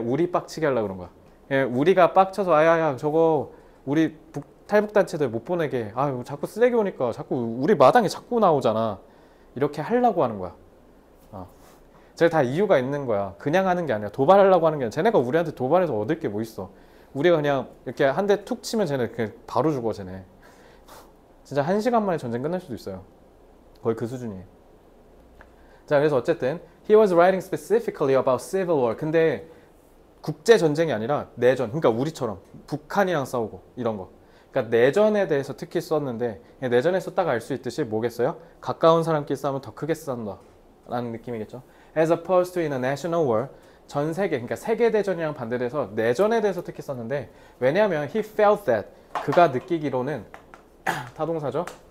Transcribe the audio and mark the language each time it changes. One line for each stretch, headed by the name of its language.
Korean: 우리 빡치게 하려고 그런 거야. 우리가 빡쳐서 아야야 저거 우리 탈북단체들 못 보내게 아유 자꾸 쓰레기 오니까 자꾸 우리 마당에 자꾸 나오잖아. 이렇게 하려고 하는 거야. 쟤다 이유가 있는 거야. 그냥 하는 게 아니야. 도발하려고 하는 게 아니야. 쟤네가 우리한테 도발해서 얻을 게뭐 있어? 우리가 그냥 이렇게 한대툭 치면 쟤네 그냥 바로 죽어, 쟤네. 진짜 한 시간 만에 전쟁 끝날 수도 있어요. 거의 그 수준이에요. 자, 그래서 어쨌든
English: he was writing specifically about civil war.
Korean: 근데 국제 전쟁이 아니라 내전. 그러니까 우리처럼 북한이랑 싸우고 이런 거. 그러니까 내전에 대해서 특히 썼는데 내전에서 딱알수 있듯이 뭐겠어요? 가까운 사람끼리 싸우면 더 크게 싸운다라는 느낌이겠죠.
English: As opposed to in a national war.
Korean: 전 세계, 그러니까 세계 대전이랑 반대돼서 내전에 대해서 특히 썼는데 왜냐하면
English: he felt that
Korean: 그가 느끼기로는 타동사죠.